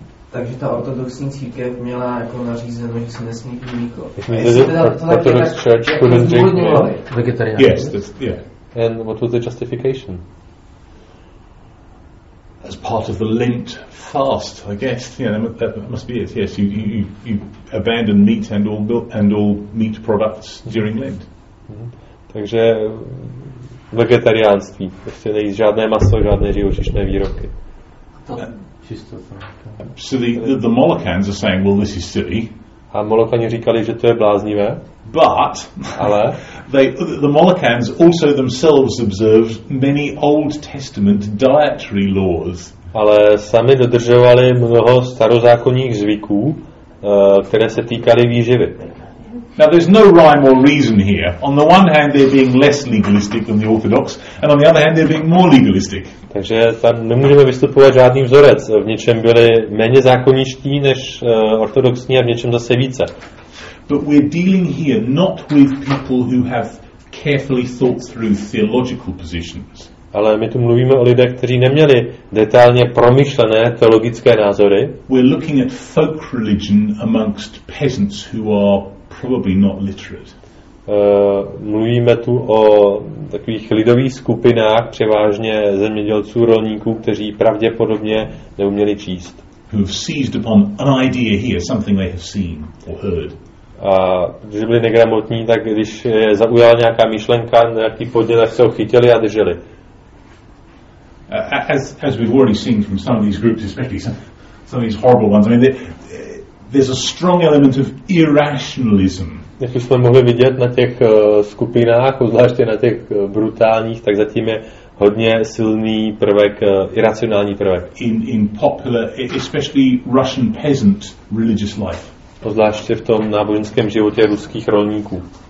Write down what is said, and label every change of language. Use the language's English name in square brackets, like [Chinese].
[Czech] Takže ta ortodoxní církev měla jako nařízeno, že se nesmí pít mléko. [English] Orthodox church couldn't drink milk. Vegetarian. Yes, that's, yeah. And what was the justification? As part of the Lent fast, I guess. Yeah, that must be it. Yes, you abandon meat and all meat products during Lent. [Czech] Takže vegetariánství, prostě nejíst žádné maso, žádné živočišné výrobky. [English] So the Molokans are saying, well, this is silly. [Czech] A Molokani říkali, že to je bláznivé. [English] But [Czech] ale [English] the Molokans also themselves observed many Old Testament dietary laws. [Czech] Ale sami dodržovali mnoho starozákonních zvyků, které se týkaly výživy. [English] Now there's no rhyme or reason here. On the one hand they're being less legalistic than the Orthodox, and on the other hand they're being more legalistic. [Czech] Takže tam nemůžeme vystupovat žádný vzorec. V něčem byli méně zákonniští než ortodoxní a v něčem zase více. [English] But we're dealing here not with people who have carefully thought through theological positions. [Czech] Ale my tu mluvíme o lidech, kteří neměli detailně promyšlené teologické názory. [English] We're looking at folk religion amongst peasants who are probably not literate. [Czech] Mluvíme tu o takových lidových skupinách, převážně zemědělců, rolníků, kteří pravděpodobně neuměli číst. [English] Who've seized upon an idea here, something they have seen or heard. [Czech] A že byli negramotní, tak když je zaujala nějaká myšlenka, nějaký podnět, se ho chytili a drželi. [English] As we've already seen from some of these groups, especially some of these horrible ones, I mean, there's a strong element of irrationalism. [Czech] Jak jsme mohli vidět na těch skupinách, zvláště na těch brutálních, tak zatím je hodně silný prvek, iracionální prvek. [English] In popular, especially Russian peasant religious life. [Czech] Zvláště v tom náboženském životě ruských rolníků.